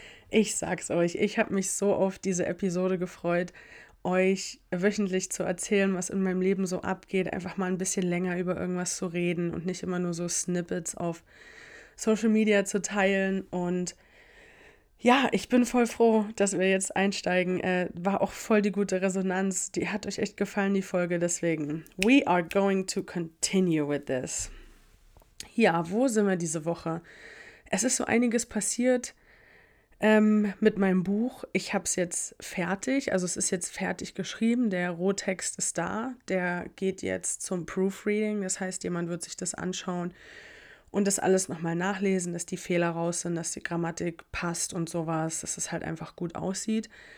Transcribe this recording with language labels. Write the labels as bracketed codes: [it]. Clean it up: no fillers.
[de] Ich sag's euch, ich habe mich so auf diese Episode gefreut, euch wöchentlich zu erzählen, was in meinem Leben so abgeht, einfach mal ein bisschen länger über irgendwas zu reden und nicht immer nur so Snippets auf Social Media zu teilen. Und ja, ich bin voll froh, dass wir jetzt einsteigen. War auch voll die gute Resonanz. Die hat euch echt gefallen, die Folge. Deswegen, [en] we are going to continue with this. [de] Ja, wo sind wir diese Woche? Es ist so einiges passiert mit meinem Buch. Ich habe es jetzt fertig. Also es ist jetzt fertig geschrieben. Der Rohtext ist da. Der geht jetzt zum Proofreading. Das heißt, jemand wird sich das anschauen und das alles nochmal nachlesen, dass die Fehler raus sind, dass die Grammatik passt und sowas, dass es halt einfach gut aussieht.